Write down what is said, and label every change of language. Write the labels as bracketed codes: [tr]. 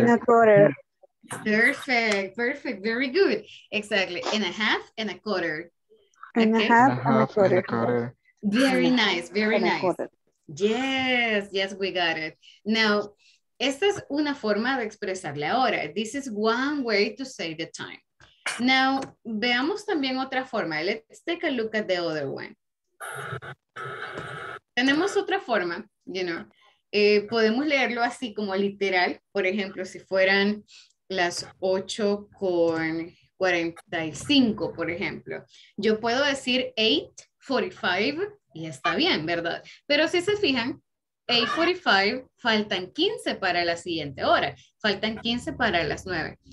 [en] In a quarter. Perfect. Perfect. Very good. Exactly. In a half and a quarter. In a half and a quarter. Very nice. Very nice. Yes. Yes, we got it. [es] Now, esta es una forma de expresar la hora. [en] This is one way to say the time. Now, [es] veamos también otra forma. [en] Let's take a look at the other one. [es] Tenemos otra forma, [en] you know. [es] Podemos leerlo así como literal, por ejemplo, si fueran las 8:45, por ejemplo. Yo puedo decir 8:45 y está bien, ¿verdad? Pero si se fijan, 8:45, faltan 15 para la siguiente hora, faltan 15 para las 9.